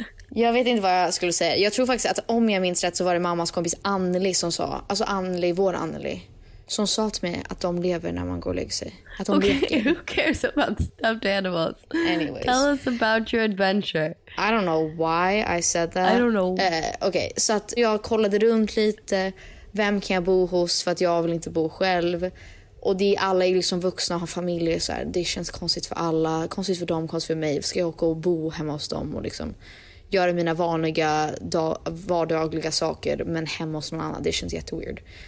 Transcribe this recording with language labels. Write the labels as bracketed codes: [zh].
[sv] Jag vet inte vad jag skulle säga. Jag tror faktiskt att om jag minns rätt så var det mammas kompis Anneli som sa, alltså Anneli, vår Anneli, som sa till mig att de lever när man går och lägger sig. [en] Okay, who cares about stuffed animals? Anyways, tell us about your adventure. I don't know why I said that. I don't know. [sv] Okay, så att jag kollade runt lite, vem kan jag bo hos, för att jag vill inte bo själv. Och de alla är liksom vuxna och har familjer, så här, det känns konstigt för alla, konstigt för dem, konstigt för mig. Ska jag åka och bo hemma hos dem och liksom göra mina vanliga vardagliga saker, men hemma hos någon annan, det känns jätteweird.